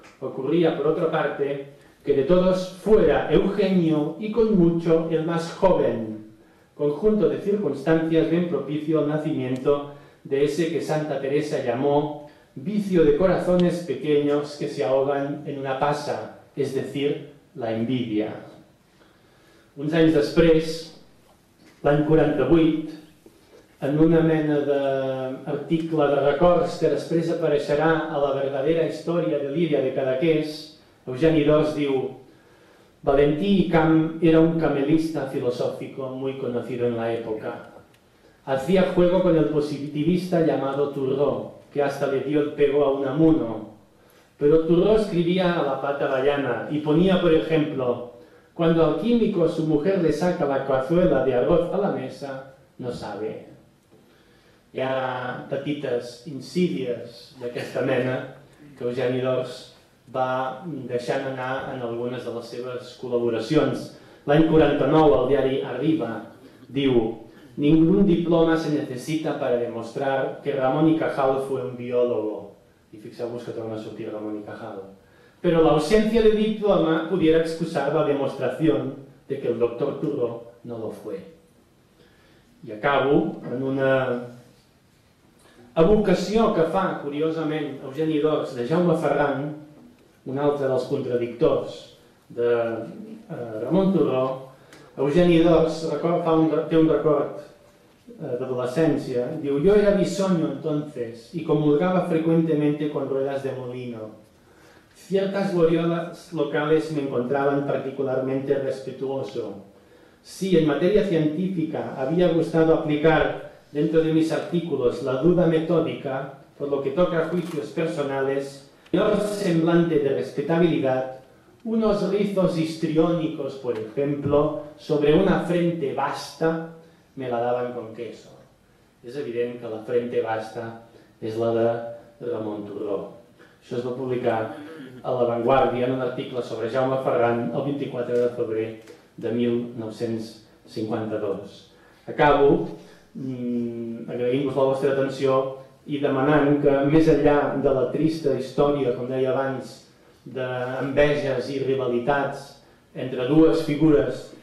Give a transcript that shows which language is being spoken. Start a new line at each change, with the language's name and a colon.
Spanish: Ocurría, por otra parte, que de todos fuera Eugenio y con mucho el más joven, conjunto de circunstancias bien propicio al nacimiento de ese que Santa Teresa llamó vicio de corazones pequeños que se ahogan en una pasa, es decir, la envidia.
Catalan: Uns anys després, l'any 48, en una mena d'article de records que després apareixerà a la verdadera història de Lídia de Cadaqués, Eugeni d'Ors diu:
Spanish: Valentí y Camp era un camelista filosófico muy conocido en la época. Hacía juego con el positivista llamado Turró, que hasta le dio el pego a Unamuno. Pero Turró escribía a la pata vallana y ponía, por ejemplo, cuando al químico su mujer le saca la cazuela de arroz a la mesa, no sabe.
Catalan: Hi ha petites insídies d'aquesta mena que Eugeni d'Ors va deixant anar en algunes de les seves col·laboracions. L'any 49, el diari Arriba diu:
Spanish: Ningún diploma se necesita para demostrar que Ramón y Cajal fue un biólogo.
Catalan: I fixeu-vos que torna a sortir Ramón y Cajal.
Spanish: Pero la ausencia de diploma pudiera excusar la demostración de que el doctor Turró no lo fue.
Catalan: I acabo en una evocació que fa, curiosament, Eugeni d'Ors de Jaume Ferran, un altre dels contradictors de Ramon Turró. Eugeni d'Ors té un record d'adolescència.
Spanish: Diu: Yo era bisoño entonces y comulgaba frecuentemente con ruedas de molino. Ciertas gloriolas locales me encontraban particularmente respetuoso. Sí, en materia científica había gustado aplicar dentro de mis artículos la duda metódica, por lo que toca a juicios personales, mayor semblante de respetabilidad, unos rizos histriónicos, por ejemplo, sobre una frente basta, me la daban con queso.
Catalan: És evident que la frente basta és la de Ramon Turró. Això es va publicar a La Vanguardia en un article sobre Jaume Ferran el 24 de febrer de 1952. Acabo agraint-vos la vostra atenció i demanant que, més enllà de la trista història, com deia abans, d'enveges i rivalitats entre dues figures